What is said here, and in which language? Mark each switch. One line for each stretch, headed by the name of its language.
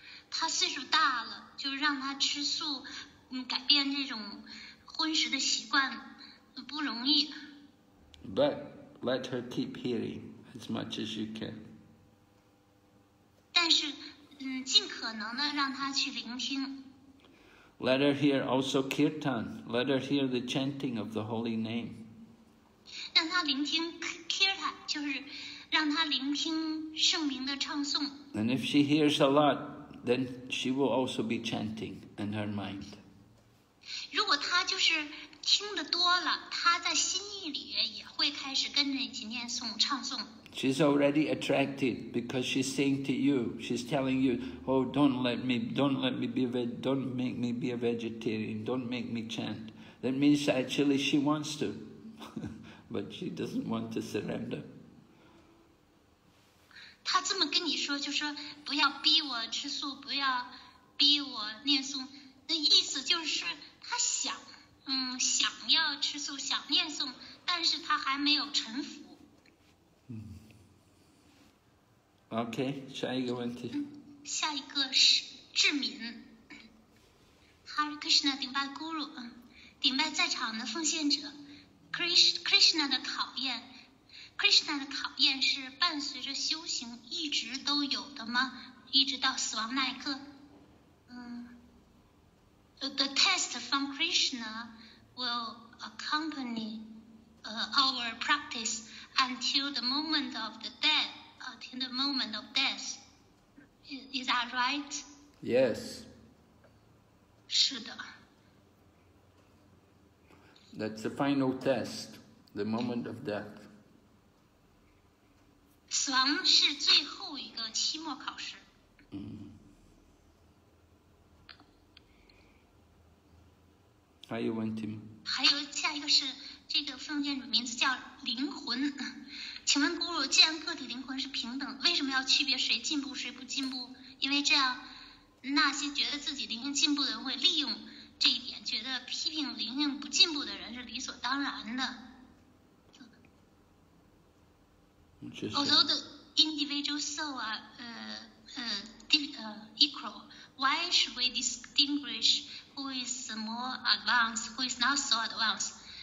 Chinese: 她岁数大了，就让她吃素，改变这种荤食的习惯不容易。
English: But let her keep hearing. As much as you can.
Chinese: 但是，尽可能的让他去聆听。
English: Let her hear also kirtan. Let her hear the chanting of the holy name.
Chinese: 让他聆听 kirtan， 就是让他聆听圣名的唱诵。
English: And if she hears a lot, then she will also be chanting in her mind.
Chinese: 如果他就是听得多了，他在心意里也会开始跟着一起念诵唱诵。
English: She's already attracted because she's saying to you, she's telling you, oh, don't make me be a vegetarian, don't make me chant. That means actually she wants to, but she doesn't want to surrender.
Chinese: 她这么跟你说，就说不要逼我吃素，不要逼我念诵，那意思就是她想，想要吃素，想念诵，但是她还没有臣服。 OK， 下一个问题。下一个是智敏。Hare Krishna， 顶拜 Guru， 顶拜在场的奉献者。 Krishna 的考验 ，Krishna 的考验是伴随着修行一直都有的吗？一直到死亡那一刻？
English: The test from Krishna will accompany our practice until the moment of the death. In the moment of death, is that right? Yes.
Chinese: 是的。
English: That's the final test, the moment of death.
Chinese: 死亡是最后一个期末考试。还有问题吗？还有下一个是这个奉献者名字叫灵魂。请问 Guru， 既然个体灵魂是平等，为什么要区别谁进步谁不进步？因为这样，那些觉得自己灵性进步的人会利用这一点，觉得批评灵性不进步的人是理所当然的。
English: Although the individual soul are equal, why should we distinguish who is more advanced, who is not so advanced?